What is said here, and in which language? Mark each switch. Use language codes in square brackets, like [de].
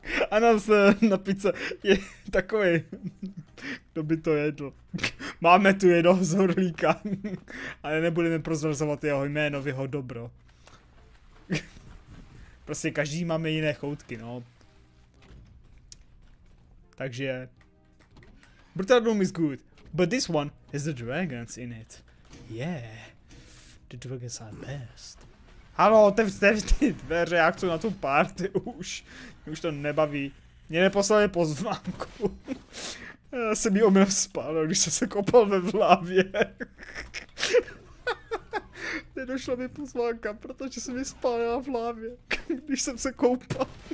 [cs] Ananas na pizze je takový. Kdo by to jedl? Máme tu jednoho z horlíka. Ale nebudeme prozrazovat jeho jméno, jeho dobro. Prostě každý máme jiné choutky, no. Takže... [en] Brutal Doom is good, but this one has the dragons in it. Yeah. The dragons are best. [cs] Haló, otevřte ty dveře, já chci na tu party už. Mě už to nebaví. Mě neposlali pozvánku. Já jsem jí omylem spal, když jsem se kopal ve vlávě. Nedošla mi pozvánka, protože jsem mi spálila v lávě, když jsem se koupal.